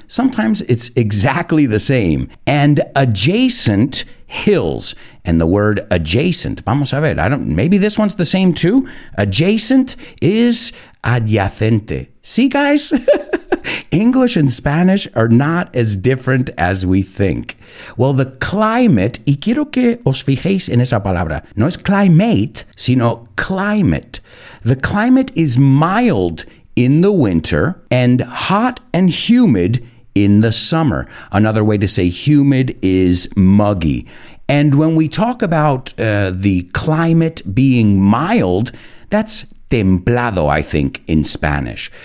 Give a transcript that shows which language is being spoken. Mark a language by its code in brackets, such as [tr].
[en] Sometimes it's exactly the same. And adjacent hills. And the word adjacent, [es] vamos a ver, [en] I don't, maybe this one's the same too. Adjacent is adyacente. See, guys? English and Spanish are not as different as we think. Well, the climate, [es] y quiero que os fijéis en esa palabra, no es climate, sino climate. [en] The climate is mild in the winter and hot and humid in the summer. Another way to say humid is muggy. And when we talk about the climate being mild, that's templado, I think, in Spanish.